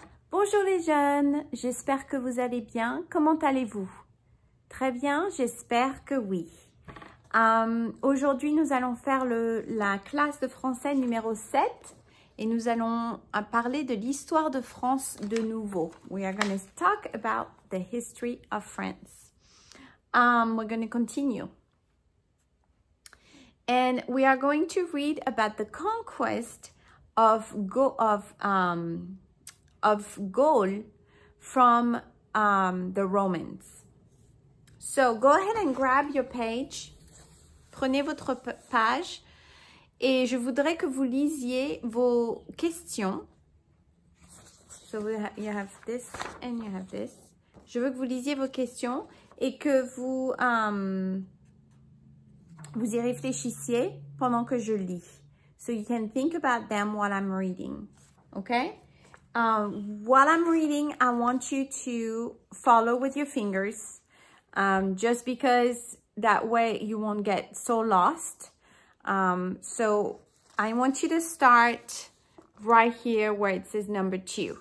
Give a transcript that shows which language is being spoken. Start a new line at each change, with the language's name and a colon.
French: Bonjour les jeunes, j'espère que vous allez bien. Comment allez-vous? Très bien, j'espère que oui. Aujourd'hui, nous allons faire la classe de français numéro 7 et nous allons parler de l'histoire de France de nouveau.
English: We are going to talk about the history of France. We're going to continue. And we are going to read about the conquest of Gaul from the Romans. So go ahead and grab your page.
French: Prenez votre page et je voudrais que vous lisiez vos questions.
English: So you have this and you have this.
French: Je veux que vous lisiez vos questions et que vous vous y réfléchissiez pendant que je lis.
English: So you can think about them while I'm reading. Okay? While I'm reading, I want you to follow with your fingers, just because that way you won't get so lost. So I want you to start right here where it says number two.